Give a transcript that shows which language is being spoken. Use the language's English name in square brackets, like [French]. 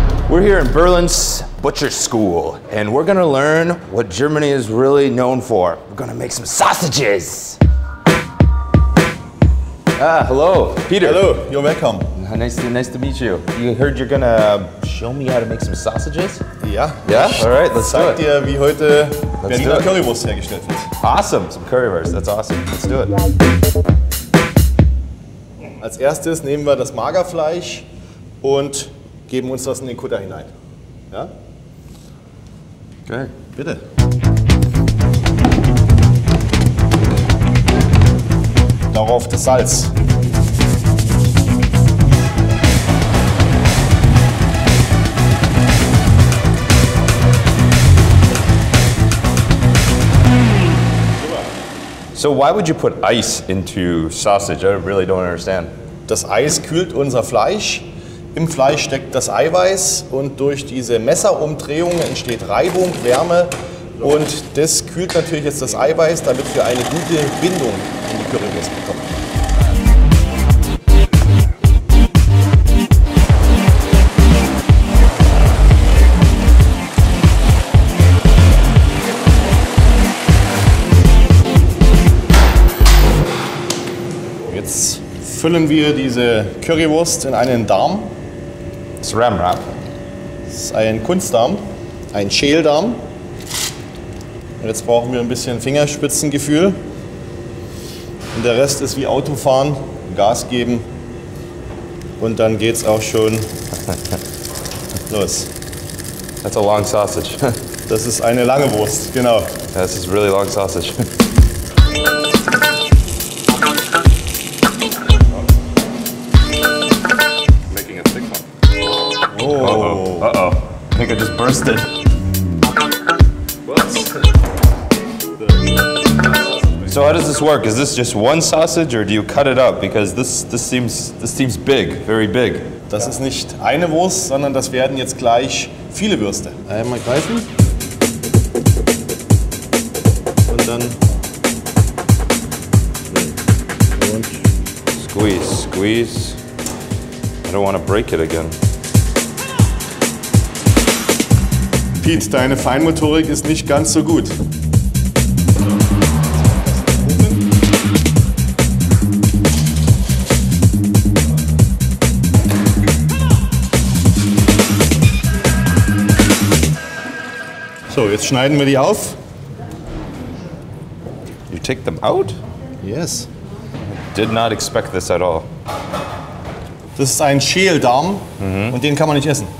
[English] We're here in Berlin's Butcher School, and we're gonna learn what Germany is really known for. We're gonna make some sausages. Ah, hello, Peter. Hello, you're welcome. Nice to meet you. You heard you're gonna show me how to make some sausages? Yeah. Yeah? All right, let's do it. [German] Zeig dir, wie heute Berliner Currywurst hergestellt wird. [English] Awesome, some Currywurst, that's awesome. Let's do it. [German] Als erstes nehmen wir das Magerfleisch und geben uns das in den Kutter hinein. Ja? [English] Okay. [German] Bitte. Darauf das Salz. [English] So why would you put ice into sausage? I really don't understand. [German] Das Eis kühlt unser Fleisch. Im Fleisch steckt das Eiweiß und durch diese Messerumdrehung entsteht Reibung, Wärme und das kühlt natürlich jetzt das Eiweiß, damit wir eine gute Bindung in die Currywurst bekommen. Jetzt füllen wir diese Currywurst in einen Darm. Das ist Ramrap. Das ist ein Kunstdarm, ein Schäldarm. Und jetzt brauchen wir ein bisschen Fingerspitzengefühl. Und der Rest ist wie Autofahren, Gas geben. Und dann geht's auch schon los. [English] That's a long sausage. [German] Das ist eine lange Wurst, genau. [English] This is really long sausage. I think I just burst it. So how does this work? Is this just one sausage or do you cut it up? Because this seems big, very big. [German] Das ist nicht eine Wurst, sondern das werden jetzt gleich viele Würste. Einmal greifen. Und dann [English] squeeze. I don't want to break it again. [German] Pete, deine Feinmotorik ist nicht ganz so gut. So, jetzt schneiden wir die auf. [English] You take them out? Yes. I did not expect this at all. [German] Das ist ein Schäldarm und den kann man nicht essen.